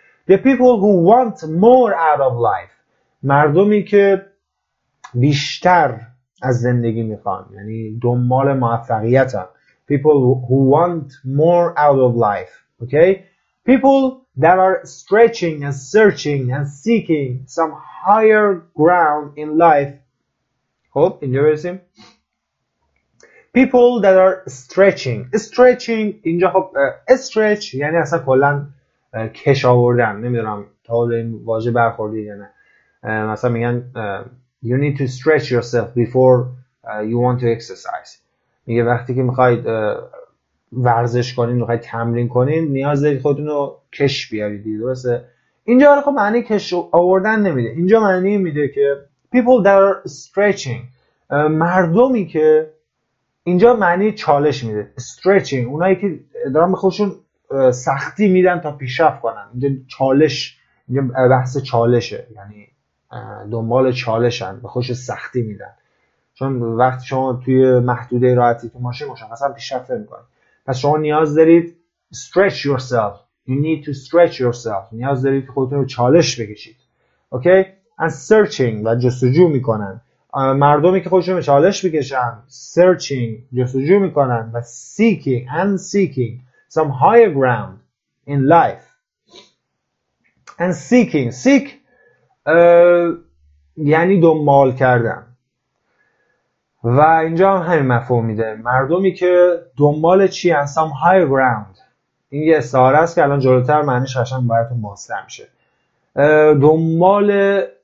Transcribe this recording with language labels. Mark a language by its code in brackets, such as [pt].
[en] The people who want more out of life. [fa] مردمی که بیشتر از زندگی میخوان، یعنی دنبال موفقیت هم. [en] People who want more out of life. Okay? People that are stretching and searching and seeking some higher ground in life. [fa] خب اینجا برسیم. [en] People that are stretching. [fa] Stretching اینجا خب stretch یعنی اصلا کلن کش آوردن. نمیدونم تا حالا این واژه برخوردی یا نه. مثلا میگن [en] you need to stretch yourself before you want to exercise. [fa] میگه وقتی که میخواید ورزش کنین، میخواید تمرین کنین، نیاز دارید خودتون رو کش بیارید. درسته؟ اینجا حالا خب معنی کش آوردن نمیده. اینجا معنی میده که [en] people that are stretching. [fa] مردمی که اینجا معنی چالش میده. stretching. اونایی که دارن به خودشون سختی میدن تا پیشرفت کنن. اینجا چالش، اینجا بحث چالشه، یعنی دنبال چالشن، به خوش سختی میدن. چون وقتی شما توی محدوده راحتی تو ماشین باشن مثلا پیشرفت میکنن. پس شما نیاز دارید [en] stretch yourself. You need to stretch yourself. [fa] نیاز دارید خودتون رو چالش بکشید. اوکی؟ [en] okay? And searching [fa] و جستجو میکنن. مردمی که خودشون رو چالش بکشن، [en] searching [fa] جستجو میکنن [en] و seeking and seeking some higher ground in life and seeking. [fa] Seek یعنی دنبال کردن. و اینجا هم همین مفهوم میده. مردمی که دنبال چی هستن؟ [en] some higher ground. [fa] این یه استعاره است که الان جلوتر معنیش هاشم براتون باسته میشه. دنبال